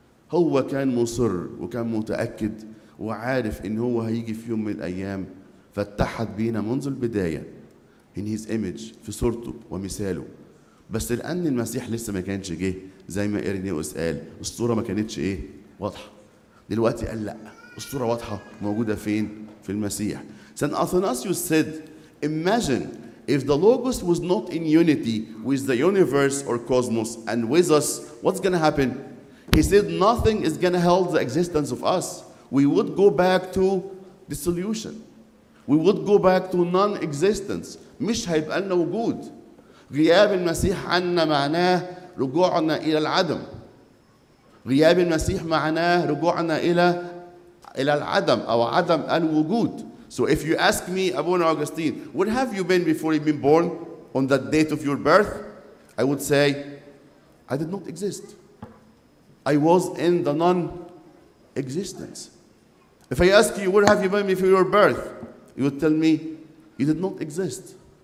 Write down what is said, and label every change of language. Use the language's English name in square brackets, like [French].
[Arabic] هو كان مصر وكان متأكد وعارف ان هو هيجي في يوم من الايام فاتحد بينا منذ البداية [English] in his image [Arabic] في صورته ومثاله. بس لان المسيح لسه ما كانش جه زي ما إيرنيوس قال الصورة ما كانتش إيه؟ واضحة. دلوقتي قال لا الصورة واضحة موجودة فين؟ في المسيح. [English] سان أثناسيوس said, imagine if the Logos was not in unity with the universe or cosmos and with us, what's gonna happen? He said nothing is gonna help the existence of us. We would go back to dissolution. We would go back to non-existence. [Arabic] مش هيبقى لنا وجود. غياب المسيح عنا معناه رجوعنا إلى العدم. غياب المسيح معناه رجوعنا إلى العدم أو عدم الوجود. [English] So if you ask me, Abuna Augustine, where have you been before you've been born on the date of your birth? I would say, I did not exist. I was in the non-existence. If I ask you, where have you been before your birth? You would tell me, you did not exist.